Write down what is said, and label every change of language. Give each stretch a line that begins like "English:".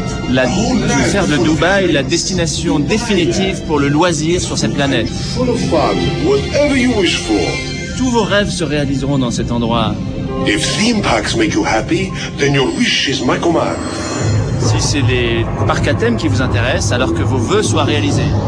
French: La de faire de Dubaï la destination définitive pour le loisir sur cette planète. Tous vos rêves se réaliseront dans cet endroit.
English: If theme parks make you happy, then your wish is my command.
French: Si c'est les parcs à thème qui vous intéressent, alors que vos vœux soient réalisés.